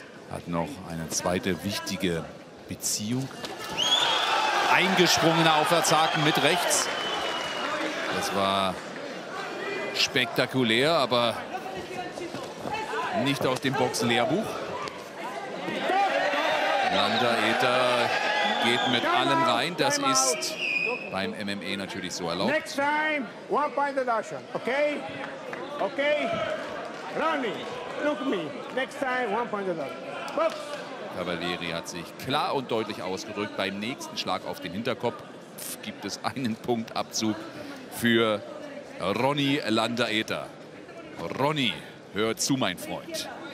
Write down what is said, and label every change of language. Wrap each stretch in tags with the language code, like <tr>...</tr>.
<de>Hat noch eine zweite wichtige Beziehung. Eingesprungener Aufwärtshaken mit rechts. Das war spektakulär, aber nicht aus dem Boxlehrbuch. Landa Eter geht mit allem rein. Das ist beim MMA natürlich so erlaubt.</de> <en>Next time, one point deduction, okay? Okay? Ronnie, look me. Next time, one point deduction.</en> <de>Cavalieri hat sich klar und deutlich ausgedrückt. Beim nächsten Schlag auf den Hinterkopf gibt es einen Punktabzug für Ronnie Landa Eter. Ronnie, hör zu, mein Freund.</de>